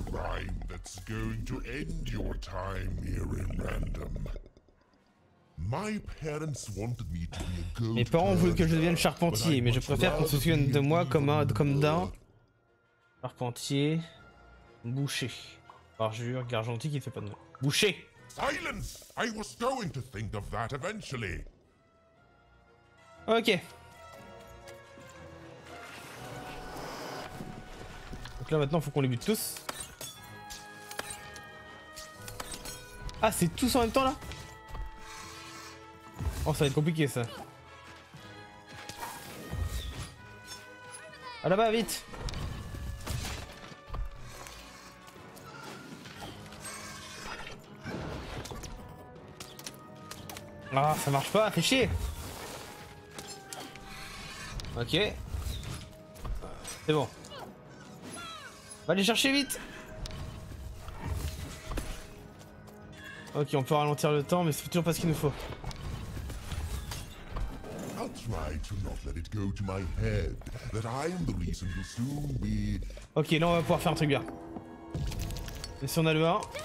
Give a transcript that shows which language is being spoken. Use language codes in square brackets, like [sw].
[en] Rime that's going to end your time here in Random. My parents wanted me to be a good. [fr] Mes parents voulaient que je devienne charpentier, mais je préfère qu'on se souvienne de moi comme d'un charpentier, boucher, parjure, gargantier qui fait pas de mal. Boucher. Silence! [en] I was going to think of that eventually. [fr] Ok. Donc là maintenant faut qu'on les bute tous. Ah, c'est tous en même temps là? Oh, ça va être compliqué ça. À là-bas, vite! Ah, ça marche pas, fais chier! Ok. C'est bon. Va les chercher vite! Ok, on peut ralentir le temps, mais c'est toujours pas ce qu'il nous faut. [en] I'll try to not let it go to my head, that I'm the reason you'll soon be... [fr] Ok, là on va pouvoir faire un truc bien. Et si on a le 1?